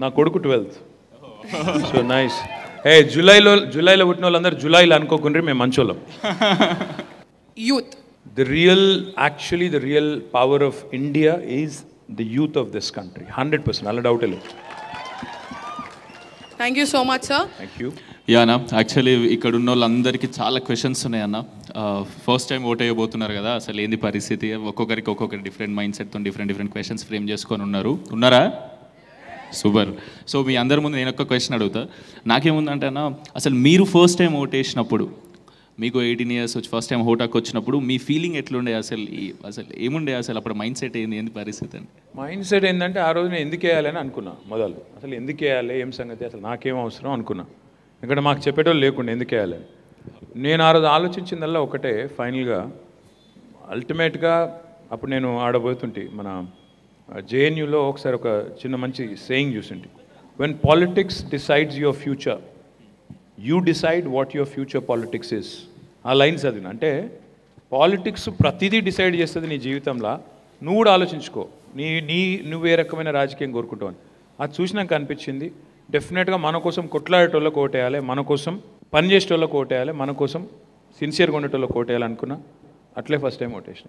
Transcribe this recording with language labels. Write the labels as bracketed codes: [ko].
[te] Na kodku 12th. [en] So nice. [te] Hey, July lo utna vallandaru July lo ankokunri me mancholam. [en] Youth. The real power of India is the youth of this country. [te] 100%. Alla doubt illa. [en] Thank you so much, sir. Thank you. [te] Yana, actually ఇక్కడ ఉన్న వాళ్ళందరికీ చాలా questions ఉన్నాయన్న. First time vote అయ్యబోతున్నారు కదా, అసలు ఏంది పరిస్థితి, ఒక్కొక్కరికి ఒక్కొక్కరి different mind సెట్తో different questions frame చేసుకొని ఉన్నారా? సూపర్. సో మీ అందరి ముందు నేను ఒక క్వశ్చన్ అడుగుతా. నాకేముందంటే అన్న, అసలు మీరు ఫస్ట్ టైం ఓట్ వేసినప్పుడు, మీకు 18 ఇయర్స్ వచ్చి ఫస్ట్ టైం ఓటాకి వచ్చినప్పుడు మీ ఫీలింగ్ ఎట్లుండే, అసలు ఏముండే, అసలు అప్పుడు మైండ్ సెట్ ఏంది, ఏంది పరిస్థితి అండి? మైండ్ సెట్ ఏంటంటే, ఆ రోజు నేను ఎందుకు వేయాలని అనుకున్నా మొదలు, అసలు ఎందుకు వేయాలి, ఏం సంగతి, అసలు నాకేం అవసరం అనుకున్నా. ఎందుకంటే మాకు చెప్పేటోళ్ళు లేకుండా ఎందుకు వేయాలి. నేను ఆ రోజు ఆలోచించిందల్లా ఒకటే, ఫైనల్గా అల్టిమేట్గా అప్పుడు నేను ఆడబోతుంటే మన JNUలో ఒకసారి ఒక చిన్న మంచి saying చూసింటి, [en] When politics decides your future, you decide what your future politics is. [te] ఆ లైన్స్ అది అంటే పాలిటిక్స్ ప్రతిదీ డిసైడ్ చేస్తుంది నీ జీవితంలో. నువ్వు కూడా ఆలోచించుకో, నీ నీ నువ్వు ఏ రకమైన రాజకీయం కోరుకుంటావు. అది చూసినాక అనిపించింది డెఫినెట్గా మన కోసం కొట్లాడేటోళ్ళకి ఓటేయాలి, మన కోసం పనిచేసేటోళ్ళకి ఓటేయాలి, మన కోసం సిన్సియర్గా ఉండేటోళ్ళకి ఓటేయాలి అనుకున్నా. అట్లే ఫస్ట్ టైం ఓటేషన్.